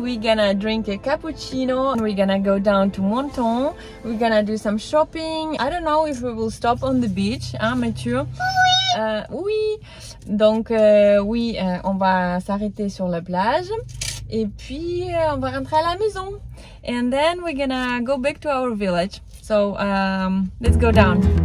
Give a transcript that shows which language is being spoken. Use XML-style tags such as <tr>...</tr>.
<en>We're gonna drink a cappuccino and we're gonna go down to Menton. We're gonna do some shopping. I don't know if we will stop on the beach, hein, Mathieu?</en> <fr>Oui. Donc oui, on va s'arrêter sur la plage et puis on va rentrer à la maison.</fr> <en>And then we're gonna go back to our village. So let's go down.</en>